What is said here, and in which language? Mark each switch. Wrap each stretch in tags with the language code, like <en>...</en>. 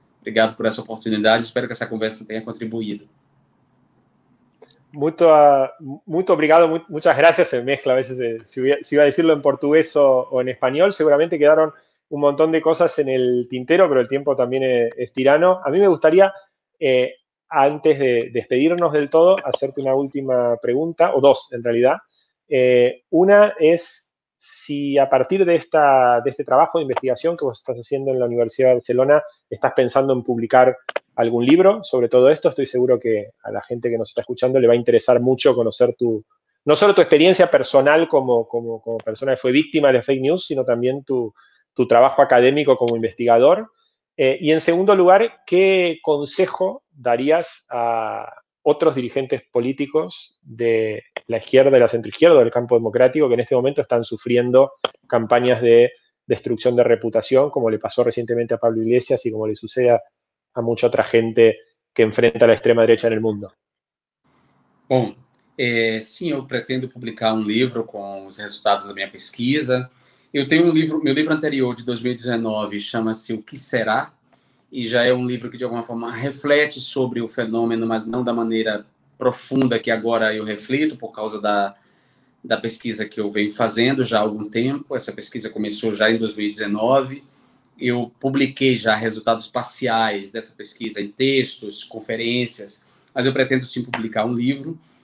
<pt>Obrigado por essa oportunidade. Espero que essa conversa tenha contribuído. Muito, muito obrigado. Muitas graças.</pt> <es>Se mezcla,</es> <pt>às vezes, se ia dizer em português ou em espanhol. Seguramente quedaram um montão de coisas no tintero, mas o tempo também é tirano. A mim me gostaria,</pt> <es>antes de despedirnos del todo, hacerte una última pregunta, o dos en realidad. Una es si a partir de este trabajo de investigación que vos estás haciendo en la Universidad de Barcelona, estás pensando en publicar algún libro sobre todo esto. Estoy seguro que a la gente que nos está escuchando le va a interesar mucho conocer no solo tu experiencia personal como persona que fue víctima de fake news, sino también tu trabajo académico como investigador. Y en segundo lugar, ¿qué consejo darías a otros dirigentes políticos de la izquierda, de la centroizquierda, del campo democrático, que en este momento están sufriendo campañas de destrucción de reputación, como le pasó recientemente a Pablo Iglesias y como le sucede a mucha otra gente que enfrenta a la extrema derecha en el mundo? Bueno, sí, yo pretendo publicar un libro con los resultados de mi pesquisa.</es> <pt>Eu tenho um livro, meu livro anterior de 2019 chama-se O Que Será? E já é um livro que de alguma forma reflete sobre o fenômeno, mas não da maneira profunda que agora eu reflito por causa da pesquisa que eu venho fazendo já há algum tempo. Essa pesquisa começou já em 2019. Eu publiquei já resultados parciais dessa pesquisa em textos, conferências, mas eu pretendo sim publicar um livro.</pt>